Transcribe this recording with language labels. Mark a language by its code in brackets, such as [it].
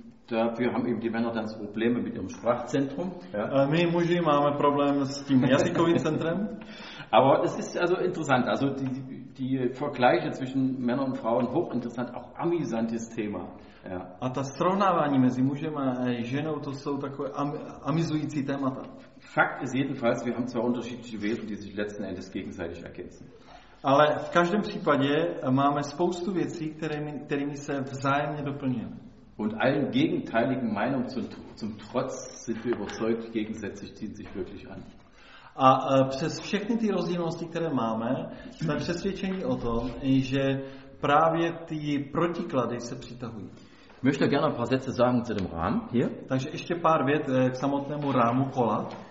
[de] Dafür haben eben die Männer dann so Probleme mit ihrem Sprachzentrum. [cs] Ja. My muži máme problém s tím jazykovým centrem. [de] Aber es ist also interessant, also die Vergleiche zwischen Männern und Frauen hochinteressant, auch amüsantes Thema. Ja. [cs] A ta srovnávání mezi mužem a ženou, to jsou takové amüsující témata. [de] Fakt ist jedenfalls, wir haben zwar unterschiedliche Werte, die sich letzten Endes gegenseitig ergänzen. [cs] Ale v každém případě máme spoustu věcí, kterými se vzájemně doplňujeme. [de] Und allen gegenteiligen Meinungen zum Trotz sind wir überzeugt, gegensätzlich ziehen sich wirklich an. [cs] A přes všechny ty rozdílnosti, které máme, jsme přesvědčeni o tom, že právě ty protiklady se přitahují. [de] Möchte gerne ein paar Sätze sagen zu dem Rahmen hier. [cs] Takže ještě pár vět k samotnému rámu kola.